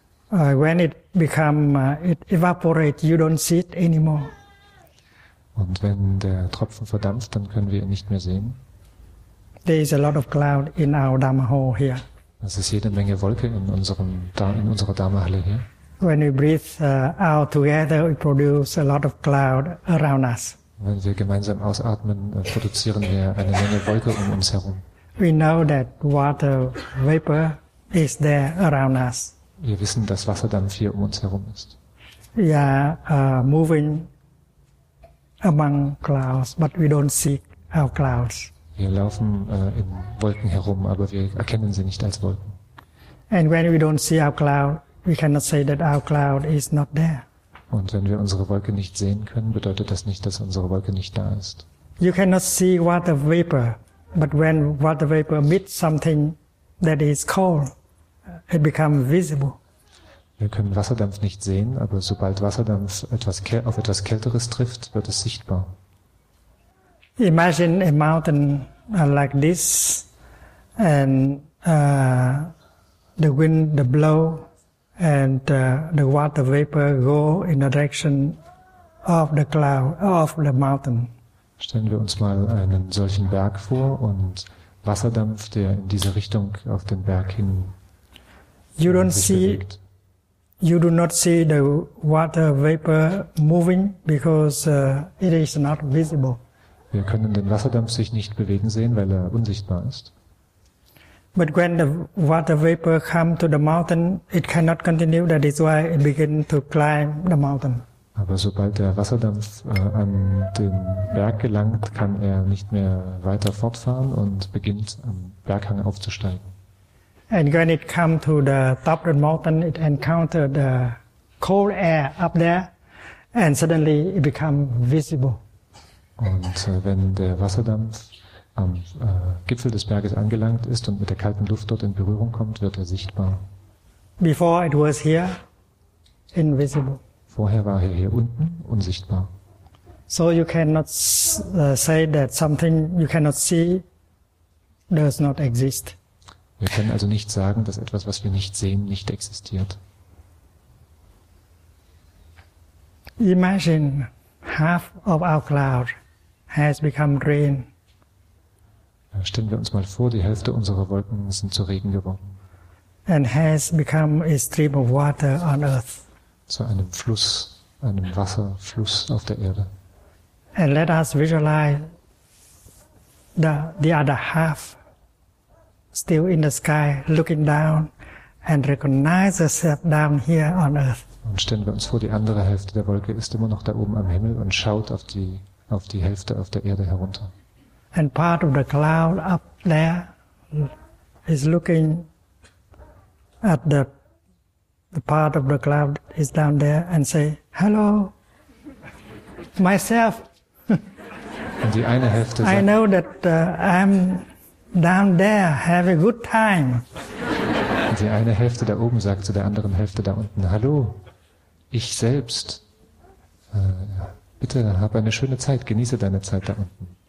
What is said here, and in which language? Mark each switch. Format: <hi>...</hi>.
<en>When it become it evaporates, you don't see it anymore.</en> <de>Und wenn der Tropfen verdampft, dann können wir ihn nicht mehr sehen.</de> <en>There is a lot of cloud in our Dharma hall here.</en> <de>Es ist jede Menge Wolke in unserer Dharma-Halle hier.</de> <en>When we breathe out together, we produce a lot of cloud around us.</en> <de>Wenn wir gemeinsam ausatmen, produzieren wir eine Menge Wolke um uns herum.</de> <en>We know that water vapor is there around us.</en> <de>Wir wissen, dass Wasserdampf hier um uns herum ist.</de> <en>Ja, moving among clouds, but we don't see our clouds.</en> <de>Wir laufen in Wolken herum, aber wir erkennen sie nicht als Wolken.</de> <en>And when we don't see our cloud, we cannot say that our cloud is not there.</en> <de>Und wenn wir unsere Wolke nicht sehen können, bedeutet das nicht, dass unsere Wolke nicht da ist.</de> <en>You cannot see water vapor, but when water vapor meets something that is cold, it becomes visible.</en> <de>Wir können Wasserdampf nicht sehen, aber sobald Wasserdampf auf etwas Kälteres trifft, wird es sichtbar.</de> <en>Imagine a mountain like this, and the wind, the blow, and the water vapor go in the direction of the cloud, of the mountain.</en> <de>Stellen wir uns mal einen solchen Berg vor und Wasserdampf, der in diese Richtung auf den Berg hin</de> <en>you don't</en> <de>sich bewegt.</de> <en>You do not see the water vapor moving because it is not visible.</en> <de>Wir können den Wasserdampf sich nicht bewegen sehen, weil er unsichtbar ist.</de> <en>But when the water vapor come to the mountain, it cannot continue. That is why it begin to climb the mountain.</en> <de>Aber sobald der Wasserdampf an den Berg gelangt, kann er nicht mehr weiter fortfahren und beginnt am Berghang aufzusteigen.</de> <en>And when it come to the top of the mountain, it encounter the cold air up there, and suddenly it become visible.</en> <de>Und wenn der Wasserdampf am Gipfel des Berges angelangt ist und mit der kalten Luft dort in Berührung kommt, wird er sichtbar.</de> <en>Before it was here, invisible.</en> <de>Vorher war er hier unten unsichtbar.</de> <en>So you cannot say that something you cannot see does not exist.</en> <de>Wir können also nicht sagen, dass etwas, was wir nicht sehen, nicht existiert.</de> <en>Imagine half of our cloud has become rain.</en> <de>Stellen wir uns mal vor, die Hälfte unserer Wolken sind zu Regen geworden.</de> <en>And has become a stream of water on earth.</en> <de>Zu einem Fluss, einem Wasserfluss auf der Erde.</de> <en>And let us visualize the other half still in the sky looking down and recognize herself down here on earth.</en> <de>Und stellen wir uns vor, die andere Hälfte der Wolke ist immer noch da oben am Himmel und schaut auf die Hälfte auf der Erde herunter.</de> <en>And part of the cloud up there is looking at the part of the cloud is down there and say, hello, myself.</en> <de>Und die eine Hälfte sagt,</de> <en>I know that I'm down there, have a good time.</en> <de>Und die eine Hälfte da oben sagt zu der anderen Hälfte da unten, hallo, ich selbst. Bitte hab eine schöne Zeit, genieße deine Zeit da unten.</de>